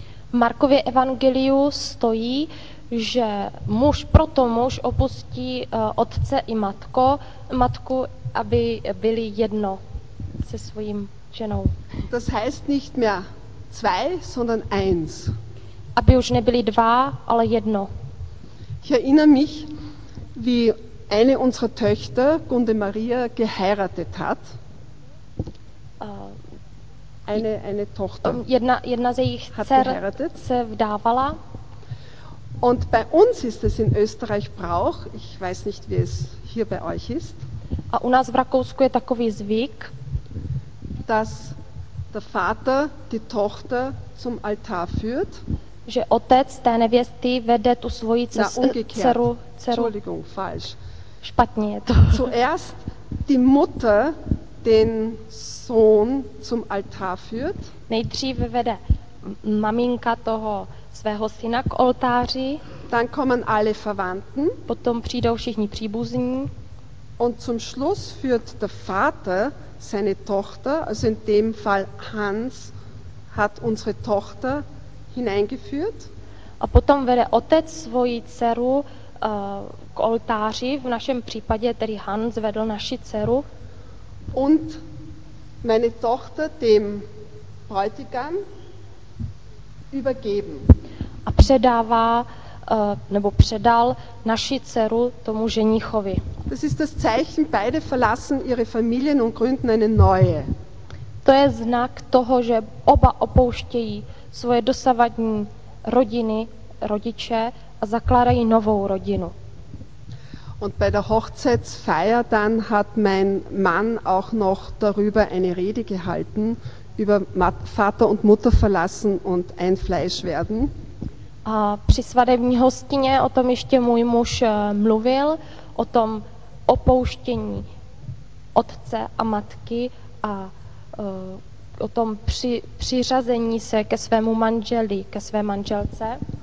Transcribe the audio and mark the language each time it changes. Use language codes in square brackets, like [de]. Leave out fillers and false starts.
[cs] V Markově evangeliu stojí, že muž proto muž opustí otce i matku, aby byli jedno se svým ženou. [de] Das heißt nicht mehr zwei, sondern eins. [cs] Aby už nebyli dva, ale jedno. [de] Ich erinnere mich, wie eine unserer Töchter, Gunde Maria, geheiratet hat. Eine Tochter. [cs] Jedna z jejich dcer se vdávala. [de] Und bei uns ist es in Österreich Brauch, ich weiß nicht, wie es hier bei euch ist. [cs] A u nás v Rakousku je takový zvyk, [de] dass der Vater die Tochter zum Altar führt. [cs] Že otec té nevěsty vede tu svoji dceru. [de] Entschuldigung, falsch. [cs] Špatně je to. [de] Zuerst die Mutter den Sohn zum Altar führt. [cs] Nejdříve vede maminka toho svého syna k oltáři. [de] Dann kommen alle Verwandten. [cs] Potom přijdou všichni příbuzní. [de] Und zum Schluss führt der Vater seine Tochter, also in dem Fall Hans, hat unsere Tochter hineingeführt. [cs] A potom vede otec svoji dceru k oltáři, v našem případě tedy Hans vedl naši dceru. [de] Und meine Tochter dem Bräutigam übergeben. [cs] A předává nebo předal naši dceru tomu ženichovi. [de] Das ist das Zeichen, beide verlassen ihre Familien und gründen eine neue. [cs] To je znak toho, že oba opouštějí svoje dosavadní rodiny, rodiče a zakládají novou rodinu. [de] Und bei der Hochzeitsfeier dann hat mein Mann auch noch darüber eine Rede gehalten, über Vater und Mutter verlassen und ein Fleisch werden. [cs] A při svadební hostině o tom ještě můj muž mluvil, o tom opouštění otce a matky a o tom přiřazení se ke svému manželi, ke své manželce.